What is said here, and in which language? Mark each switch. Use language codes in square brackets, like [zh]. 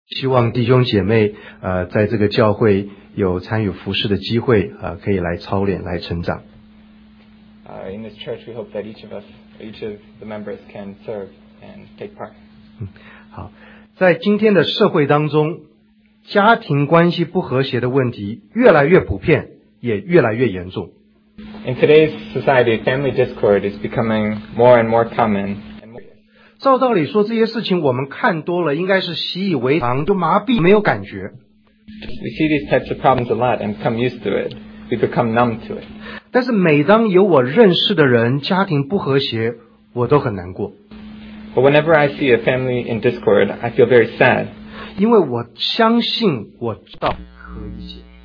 [zh] 希望弟兄姐妹在这个教会有参与服事的机会可以来操练来成长。 [en] In this church, we hope that each of us, each of the members can serve and take part. [zh] 好，在今天的社会当中，家庭关系不和谐的问题越来越普遍，也越来越严重。 [en] In today's society, family discord is becoming more and more common. [zh] 照道理说，这些事情我们看多了，应该是习以为常，就麻痹，没有感觉。 [en] We see these types of problems a lot and become used to it. We become numb to it. [zh] 但是每当有我认识的人家庭不和谐，我都很难过。 [en] But whenever I see a family in discord, I feel very sad. [zh] 因为我相信我知道可以解。